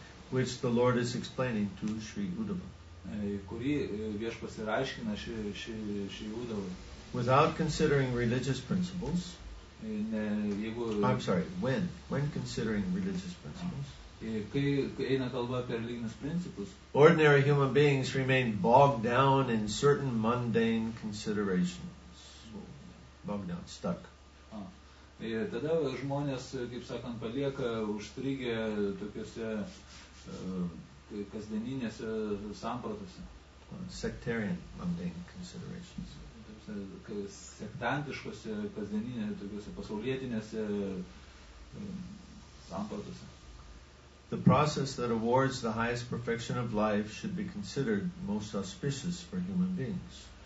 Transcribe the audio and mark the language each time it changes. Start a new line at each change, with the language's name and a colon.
English: Which the Lord is explaining to Sri Uddhava.
Lithuanian: Kurį viešpas ir aiškina Sri Uddhava.
English: Without considering religious principles. When considering religious principles. Ordinary human beings remain bogged down in certain mundane considerations. Bogged down, stuck.
Lithuanian: Tada žmonės, kaip sakant, palieka užstrigę tokiose kasdieninėse sampratose.
English: Sectarian mundane considerations.
Lithuanian: Sektantiškose kasdieninėse tokiose pasaulietinėse sampratose.
English: The process that awards the highest perfection of life should be considered most auspicious for human beings.